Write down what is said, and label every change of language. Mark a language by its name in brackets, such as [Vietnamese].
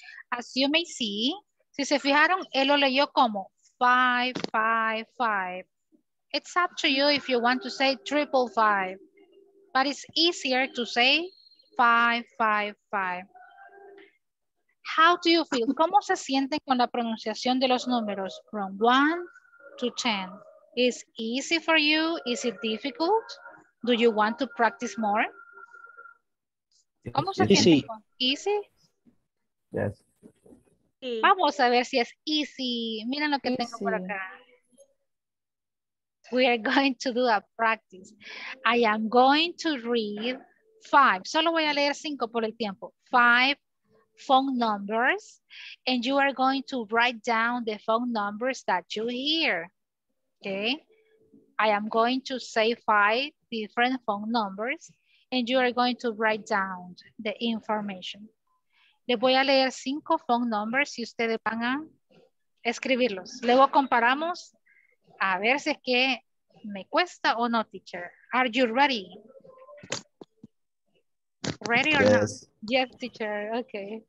[English] As you may see, [Spanish] si se fijaron, él lo leyó como 555. [English] It's up to you if you want to say 555, but it's easier to say 555. How do you feel? [Spanish] ¿Cómo se sienten con la pronunciación de los números [English] from 1 to 10? Is easy for you? Is it difficult? Do you want to practice more? [Spanish] ¿Cómo se [English] easy. [Spanish] Siente? ¿Easy? [English] Yes. [Spanish] Vamos a ver si es easy. Miren lo que easy. Tengo por acá. [English] We are going to do a practice. I am going to read 5. [Spanish] Solo voy a leer 5 por el tiempo. 5 [English] phone numbers. And you are going to write down the phone numbers that you hear. Okay. I am going to say 5 different phone numbers and you are going to write down the information. [Spanish] Le voy a leer 5 [English] phone numbers [Spanish] y ustedes van a escribirlos. Luego comparamos a ver si es que me cuesta o no, teacher. [English] Are you ready? Ready or yes. Not? Yes, teacher. Okay.